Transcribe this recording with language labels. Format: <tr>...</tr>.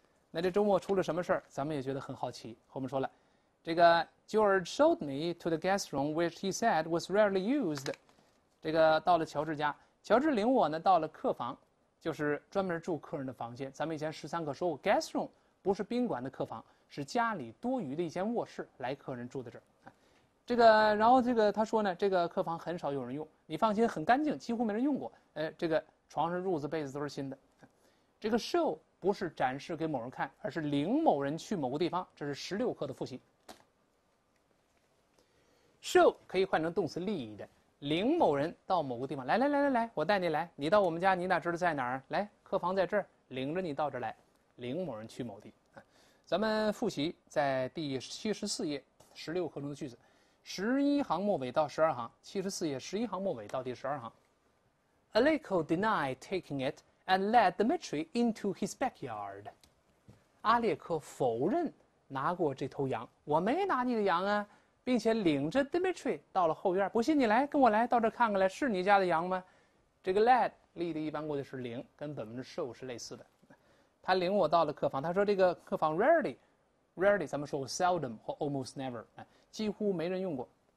<zh>那这周末出了什么事儿？咱们也觉得很好奇。后面说了，这个</zh> <en>George showed me to the guest room, which he said was rarely used。</en> <zh>这个到了乔治家，乔治领我呢到了客房，就是专门住客人的房间。咱们以前13课说过，guest room 不是宾馆的客房，是家里多余的一间卧室，来客人住在这儿。这个，然后这个他说呢，这个客房很少有人用，你放心，很干净，几乎没人用过。这个床上褥子被子都是新的。这个 show 不是展示给某人看，而是领某人去某个地方。这是16课的复习。 show 可以换成动词 lead 的，领某人到某个地方。来来来来来，我带你来，你到我们家，你哪知道在哪儿？来，客房在这儿，领着你到这儿来，领某人去某地。咱们复习在第74页16课中的句子，11行末尾到12行，74页11行末尾到第12行。</zh> <en>Aleko denied taking it and led Dmitry into his backyard。</en> <zh>阿列克否认拿过这头羊，我没拿你的羊啊，并且领着 Dmitry 到了后院。不信你来跟我来到这看看来，是你家的羊吗？这个 led 一般过去是领，跟本文的 show 是类似的。他领我到了客房，他说这个客房 rarely，咱们说过 seldom 或 almost never，几乎没人用过。</zh>